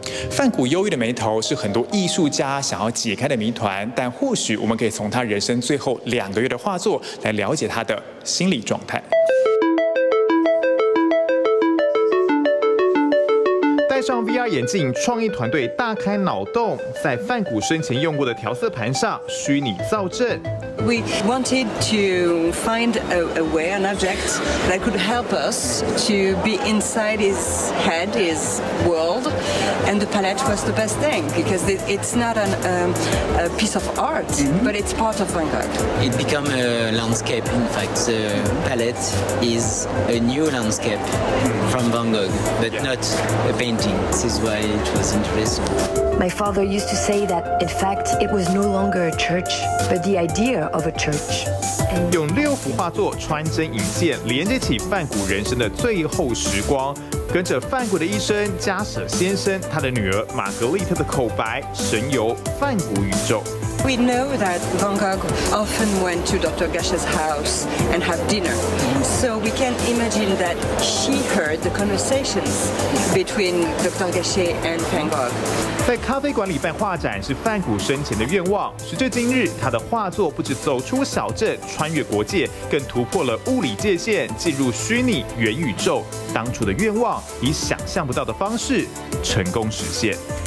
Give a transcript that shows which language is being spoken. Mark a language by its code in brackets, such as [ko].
[zh] 梵谷忧郁的眉头是很多艺术家想要解开的谜团，但或许我们可以从他人生最后2个月的画作来了解他的心理状态。戴上 VR 眼镜，创意团队大开脑洞，在梵谷生前用过的调色盘上虚拟造阵。 [en] We wanted to find a way, an object that could help us to be inside his head, his world, and the palette was the best thing because it's not a piece of art, but it's part of Van Gogh. It became a landscape. In fact, the palette is a new landscape from Van Gogh, but not a painting. This is why it was interesting. My father used to say that, in fact, it was no longer a church, but the idea of a church. [zh] 用6幅画作穿针引线，连接起梵谷人生的最后时光。跟着梵谷的医生加舍先生，他的女儿玛格丽特的口白，神游梵谷宇宙。 [en] We know that Van Gogh often went to Dr. Gash's house and had dinner. So we can imagine that she heard the conversations between Dr. Gash and Van Gogh. [zh] 在咖啡馆里办画展是梵谷生前的愿望。时至今日，他的画作不止走出小镇，穿越国界，更突破了物理界限，进入虚拟元宇宙。当初的愿望以想象不到的方式成功实现。